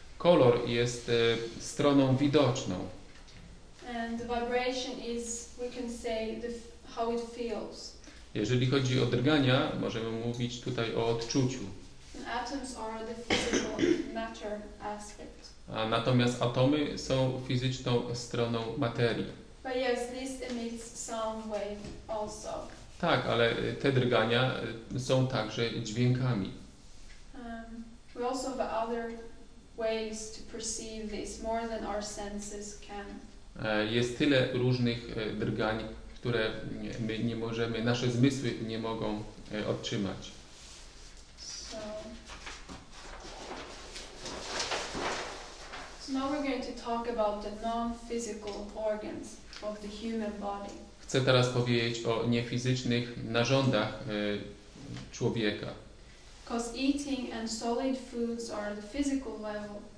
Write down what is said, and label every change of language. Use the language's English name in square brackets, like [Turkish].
[Polish] Kolor jest stroną widoczną. [English] And the vibration is, we can say, how it feels. [Polish] Jeżeli chodzi o drgania, możemy mówić tutaj o odczuciu. [English] And atoms are the physical matter aspect. [Polish] A natomiast atomy są fizyczną stroną materii. [English] But yes, this emits sound wave also. [Polish] Tak, ale te drgania są także dźwiękami. [English] We also have other ways to perceive this more than our senses can. [Polish] Jest tyle różnych drgań, które my nie możemy, nasze zmysły nie mogą odtrzymać. [English] Now we're going to talk about the non-physical organs of the human body. [Polish] Chcę teraz powiedzieć o niefizycznych narządach człowieka. [English] Because eating and solid foods are the physical level.